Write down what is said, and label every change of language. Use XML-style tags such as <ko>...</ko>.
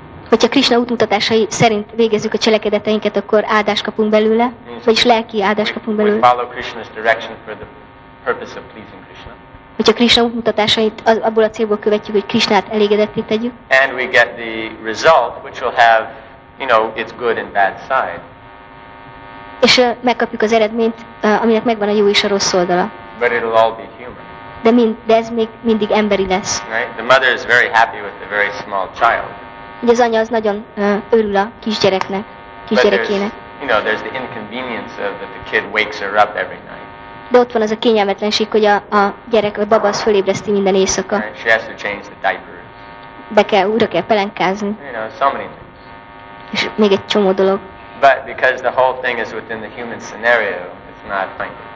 <hu>Hogyha Krishna útmutatásai szerint végezzük a cselekedeteinket, akkor áldást kapunk belőle, vagyis lelki áldást kapunk belőle.</hu> <en>We follow Krishna's direction for the purpose of pleasing Krishna.</en> <hu>Hogyha Krishna útmutatásait abból a célból követjük, hogy Krishnát elégedetté tegyük.</hu> <en>And we get the result, which will have, you know, its good and bad side.</en> <hu>És megkapjuk az eredményt, aminek megvan a jó és a rossz oldala.</hu> <en>But it'll all be human.</en> <hu>De ez még mindig emberi lesz.</hu> <en>Right? The mother is very happy with the very small child.</en> <hu>Ugye az anya az nagyon örül a kisgyereknek, kisgyerekének.</hu> <en>You know, there's the inconvenience of that the kid wakes her up every night.</en> <hu>De ott van az a kényelmetlenség, hogy a gyerek, a baba azt fölébreszti minden éjszaka.</hu> <en>Right? She has to change the diapers.</en> <hu>Be kell, újra kell pelenkázni.</hu> <en>You know, so many things.</en> <hu>És még egy csomó dolog.</hu> <en>But because the whole thing is within the human scenario, it's not fine.</en>